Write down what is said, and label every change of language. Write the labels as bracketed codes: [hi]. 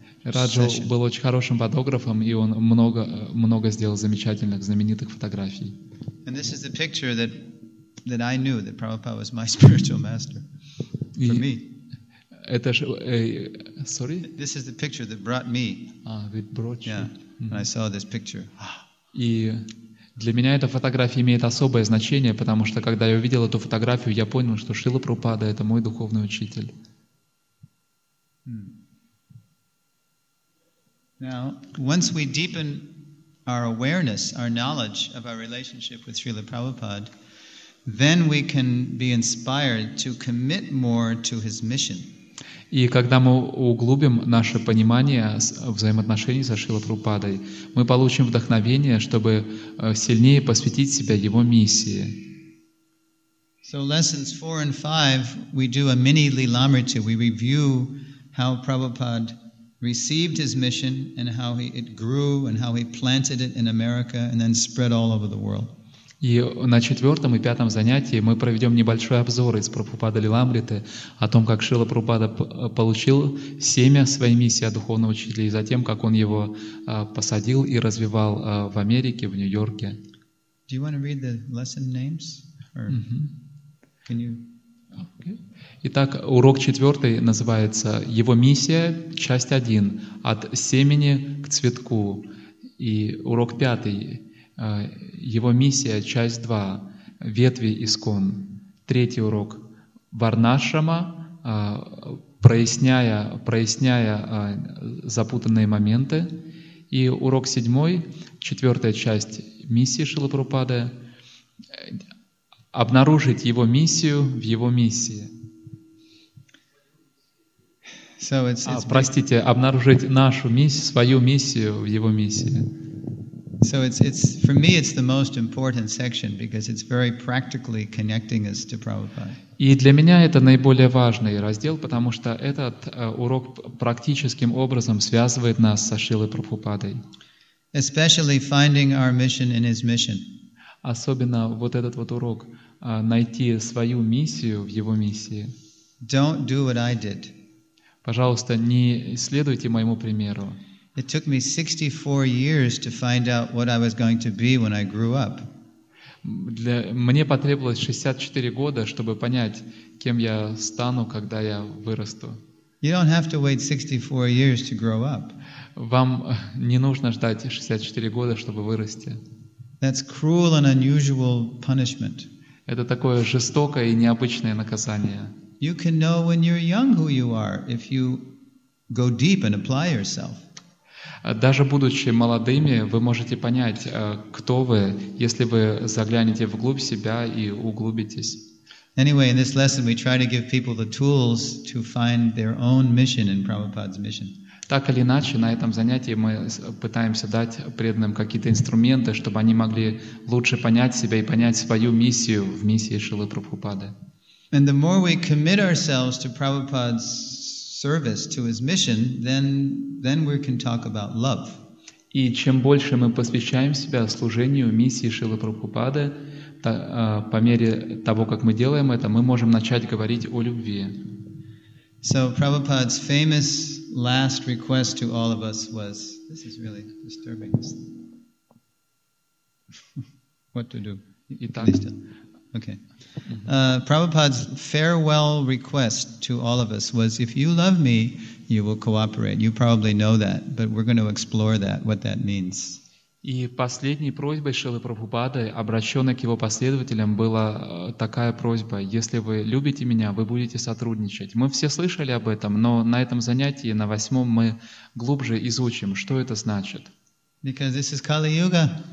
[ru] Раджа был очень хорошим фотографом, и он много сделал замечательных знаменитых фотографий. [en] And this is the picture that I knew that Prabhupada was my spiritual master for me. Sorry? This is the picture that brought me. It brought you. Yeah. Mm-hmm. And I saw this picture. [ru] И для меня эта фотография имеет особое значение, потому что когда я увидел эту фотографию, я понял, что Шрила Прабхупада — это мой духовный учитель. [en] Now, once we deepen our awareness, our knowledge of our relationship with Srila Prabhupada, then we can be inspired to commit more to his mission. [ru] И когда мы углубим наше понимание взаимоотношений со Шрилой Прабхупадой, мы получим вдохновение, чтобы сильнее посвятить себя его миссии. [en] So lessons 4 and 5 we do a mini Lilamrita. We review how Prabhupada received his mission and how it grew and how he planted it in America and then spread all over the world. [ru] И на четвертом и пятом занятии мы проведем небольшой обзор из Прабхупада Лиламриты о том, как Шрила Прабхупада получил семя своей миссии от духовного учителя и затем, как он его посадил и развивал в Америке, в Нью-Йорке. [en] Do you want to read the lesson names? Or can you... okay. [ru] Итак, урок четвертый называется «Его миссия, часть 1. От семени к цветку». И урок пятый – его миссия, часть 2, ветви искон. Третий урок. Варнашрама, проясняя запутанные моменты. И урок 7, четвертая часть миссии Шрилы Прабхупады. Обнаружить его миссию в его миссии. Простите, обнаружить нашу миссию, свою миссию в его миссии. [en] So it's for me it's the most important section because it's very practically connecting us to Prabhupada. [ru] И для меня это наиболее важный раздел, потому что этот урок практическим образом связывает нас со Шрилой Прабхупадой. [en] Especially finding our mission in his mission. [ru] Особенно вот этот вот урок найти свою миссию в его миссии. [en] Don't do what I did. [ru] Пожалуйста, не следуйте моему примеру. [en] It took me 64 years to find out what I was going to be when I grew up. [ru] Мне потребовалось 64 года, чтобы понять, кем я стану, когда я вырасту. [en] You don't have to wait 64 years to grow up. [ru] Вам не нужно ждать 64 года, чтобы вырасти. [en] That's cruel and unusual punishment. [ru] Это такое жестокое и необычное наказание. [en] You can know when you're young who you are if you go deep and apply yourself. [ru] Даже будучи молодыми, вы можете понять, кто вы, если вы заглянете вглубь себя и углубитесь. [en] Anyway, in this lesson we try to give people the tools to find their own mission in Prabhupada's mission. [ru] Так или иначе, на этом занятии мы пытаемся дать преданным какие-то инструменты, чтобы они могли лучше понять себя и понять свою миссию в миссии Шрилы Прабхупады. [en] And the more we commit ourselves to Prabhupada's service, to his mission, then we can talk about love. [ru] И чем больше мы посвящаем себя служению миссии Шрилы Прабхупады, по мере того, как мы делаем это, мы можем начать говорить о любви. [en] So Prabhupada's famous last request to all of us was, this is really disturbing. What to do? Okay. Prabhupada's farewell request to all of us was, if you love me, you will cooperate. You probably know that, but we're going to explore that, what that means. [ru] И последней просьбой Шрилы Прабхупады, обращенной к его последователям, была такая просьба: если вы любите меня, вы будете сотрудничать. Мы все слышали об этом, но на этом занятии, на восьмом, мы глубже изучим, что это значит. [en] Because this is Kali-Yuga.